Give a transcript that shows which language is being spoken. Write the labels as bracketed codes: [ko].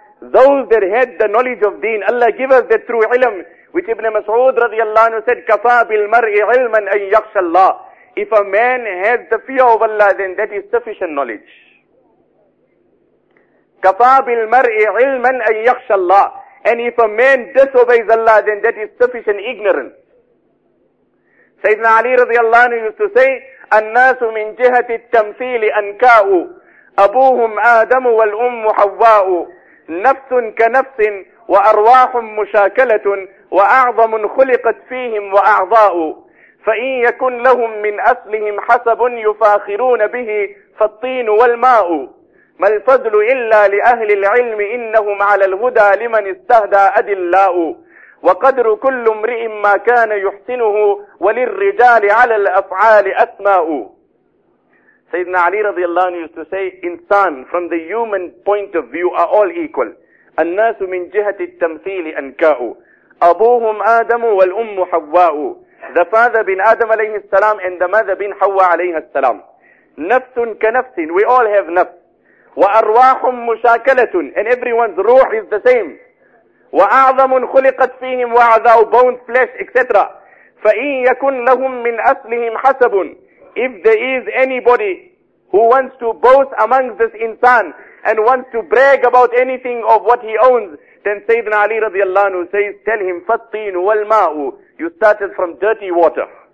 [en] Those that had the knowledge of deen, Allah give us the true ilm, which Ibn Mas'ud radiallahu anhu said, [ar] كَفَى بِالْمَرْءِ عِلْمًا أَن يَخْشَ اللَّهِ. [en] If a man has the fear of Allah, then that is sufficient knowledge. [ar] كَفَى بِالْمَرْءِ عِلْمًا أَن يَخْشَ اللَّهِ. [en] And if a man disobeys Allah, then that is sufficient ignorance. Sayyidina Ali radiallahu anhu used to say, [ar] النَّاسُ مِنْ جِهَةِ التَّمْثِيلِ أَنْكَاءُ أَبُوهُمْ آدَمُ وَالْأُمُّ حَوَّاءُ نَفْسٌ كَنَفْسٍ وَأَرْوَاحٌ مُشَاكَلَةٌ وَأَعْظَمٌ خُلِقَتْ فِيهِمْ وَأَعْضَاءُ فَإِنْ يَكُنْ لَهُمْ مِنْ أَصْلِهِمْ حَسَبٌ يُفَاخِرُونَ بِهِ فَالطِّينُ وَالْمَاءُ مَا الْفَضْلُ إِلَّا لِأَهْلِ الْعِلْمِ إِنَّهُمْ عَلَى الْهُدَى لِمَنِ اسْتَهْدَى أَدِلَّاءُ وَقَدْرُ كُلُّ امْرِئٍ مَا كَانَ يُحْسِنُهُ وَلِلرِّجَالِ عَلَى الْأَفْعَالِ أَسْمَاءُ. [en] Sayyidina Ali radiallahu anhu used to say, insan, from the human point of view, are all equal. [ar] النَّاسُ مِنْ جِهَةِ التَّمْثِيلِ أَنْكَاءُ أَبُوهُمْ آدَمُ وَالْأُمُّ حَوَّاءُ. [en] The father bin Adam alayhi salam and the mother bin Hawa alayhi salam. [ar] نَفْسٌ كَنَفْسٍ. [en] We all have nafs. [ar] وأرواحهم مشاكلة. [en] And everyone's ruh is the same. [ar] وأعظم خلقت فيهم وعظا [en] bones, flesh, etc. [ar] فإن يكن لهم من أصلهم حسب. [en] If there is anybody who wants to boast amongst this insan and wants to brag about anything of what he owns, then Sayyidina Ali radiallahu anhu says, tell him, [ar] فالطين والماء. [en] You started from dirty water.